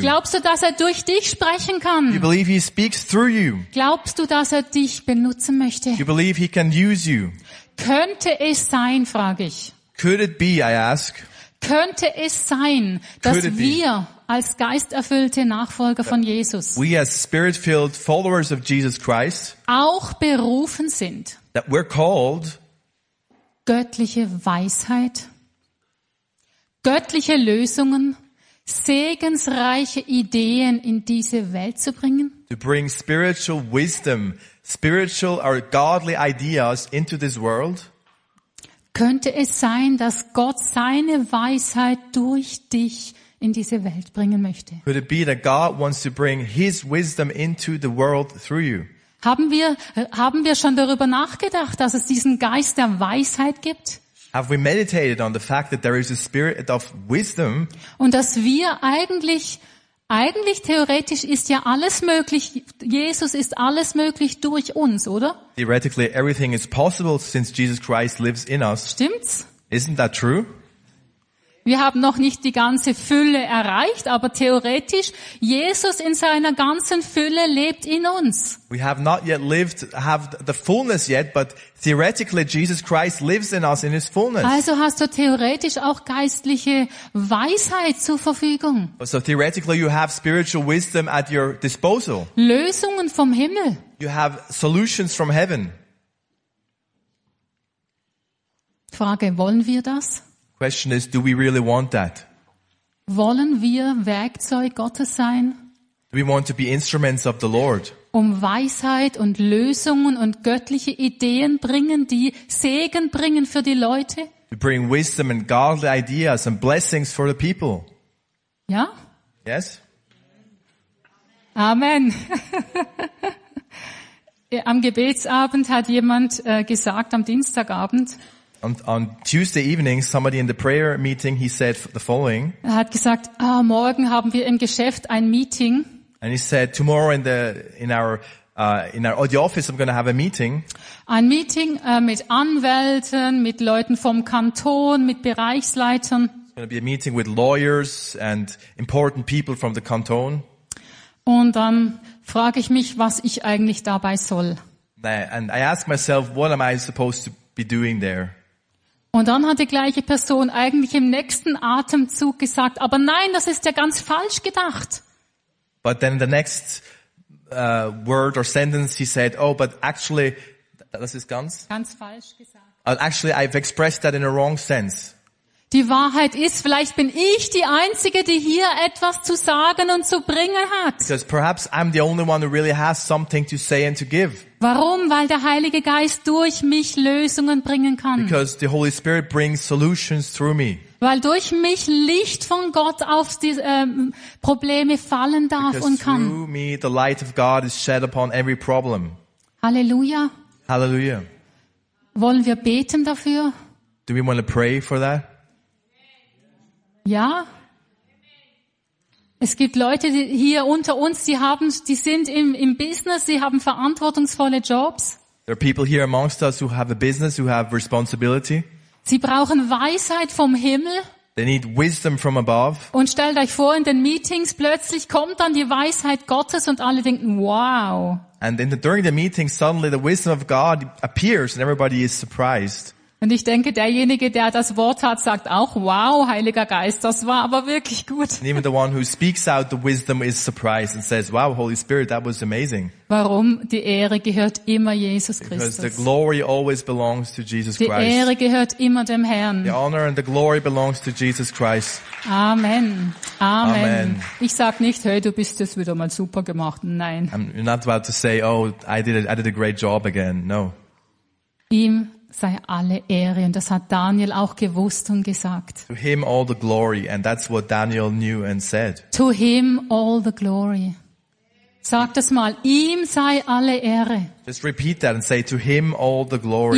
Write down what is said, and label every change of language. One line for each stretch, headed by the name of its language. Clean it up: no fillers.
German: Glaubst du, dass er durch dich sprechen kann?
English: Do you believe he speaks through you?
German: Glaubst du, dass er dich benutzen möchte?
English: Do you believe he can use you?
German: Könnte es sein, frage ich.
English: Could it be, I ask?
German: Könnte es sein, dass wir als geisterfüllte Nachfolger von Jesus,
English: we as spirit-filled followers of Jesus Christ,
German: auch berufen sind,
English: that we're called
German: göttliche Weisheit, göttliche Lösungen, segensreiche Ideen in diese Welt zu bringen?
English: To bring spiritual wisdom, spiritual or godly ideas into this world?
German: Könnte es sein, dass Gott seine Weisheit durch dich in diese Welt bringen möchte?
English: Could it be that God wants to bring his wisdom into the world through you?
German: Haben wir schon darüber nachgedacht, dass es diesen Geist der Weisheit gibt?
English: Have we meditated on the fact that there is a spirit of wisdom?
German: Und dass wir eigentlich theoretisch ist ja alles möglich. Jesus ist alles möglich durch uns, oder?
English: Theoretically everything is possible since Jesus Christ lives in us.
German: Stimmt's?
English: Isn't that true?
German: Wir haben noch nicht die ganze Fülle erreicht, aber theoretisch Jesus in seiner ganzen Fülle lebt in uns.
English: We have not yet lived have the fullness yet, but theoretically Jesus Christ lives in us in his fullness.
German: Also hast du theoretisch auch geistliche Weisheit zur Verfügung.
English: So theoretically you have spiritual wisdom at your disposal.
German: Lösungen vom Himmel.
English: You have solutions from heaven.
German: Frage, wollen wir das?
English: Question is, do we really want that?
German: Wollen wir Werkzeug Gottes sein?
English: Do we want to be instruments of the Lord?
German: Um Weisheit und Lösungen und göttliche Ideen bringen, die Segen bringen für die Leute?
English: To bring wisdom and godly ideas and blessings for the people.
German: Ja?
English: Yes? Amen.
German: Am Gebetsabend hat jemand gesagt, am Dienstagabend,
English: On Tuesday evening, somebody in the prayer meeting, he said the following.
German: Er hat gesagt, morgen haben wir im Geschäft ein Meeting.
English: And he said, tomorrow in our the office, I'm going to have a meeting.
German: Ein Meeting mit Anwälten, mit Leuten vom Kanton, mit Bereichsleitern.
English: It's going to be a meeting with lawyers and important people from the Kanton.
German: Und dann frage ich mich, was ich eigentlich dabei soll.
English: And I ask myself, what am I supposed to be doing there?
German: Und dann hat die gleiche Person eigentlich im nächsten Atemzug gesagt, aber nein, das ist ja ganz falsch gedacht.
English: But then the next word or sentence he said, oh, but actually,
German: das ist ganz falsch gesagt.
English: Actually, I've expressed that in a wrong sense.
German: Die Wahrheit ist, vielleicht bin ich die Einzige, die hier etwas zu sagen und zu bringen hat.
English: Because perhaps I'm the only one who really has something to say and to give.
German: Warum? Weil der Heilige Geist durch mich Lösungen bringen kann.
English: Because the Holy Spirit brings solutions through me.
German: Weil durch mich Licht von Gott auf die Probleme fallen darf
English: because
German: und kann.
English: Through me the light of God is shed upon every problem.
German: Halleluja.
English: Halleluja.
German: Wollen wir beten dafür?
English: Do we want to pray for that?
German: Ja. Es gibt Leute hier unter uns, die sind im Business, sie haben verantwortungsvolle Jobs.
English: There are people here amongst us who have a business, who have responsibility.
German: Sie brauchen Weisheit vom Himmel.
English: They need wisdom from above.
German: Und stellt euch vor, in den Meetings plötzlich kommt dann die Weisheit Gottes und alle denken, wow.
English: And then during the meeting suddenly the wisdom of God appears and everybody is surprised.
German: Und ich denke, derjenige, der das Wort hat, sagt auch, wow, Heiliger Geist, das war aber wirklich gut.
English: And even the one who speaks out the wisdom is surprised and says, wow, Holy Spirit, that was amazing.
German: Warum? Die Ehre gehört immer Jesus Christus.
English: Because the glory always belongs to Jesus Christ.
German: Die Ehre gehört immer dem Herrn.
English: The honor and the glory belongs to Jesus Christ. Amen. Amen. Amen.
German: Ich sag nicht, hey, du bist jetzt wieder mal super gemacht. Nein.
English: I'm not about to say, oh, I did a great job again. No.
German: Ihm sei alle Ehre, und das hat Daniel auch gewusst und gesagt.
English: To him all the glory, and that's what Daniel knew and said. To him all the glory.
German: Sag das mal, ihm sei alle Ehre.
English: Just repeat that and say, to him all the glory.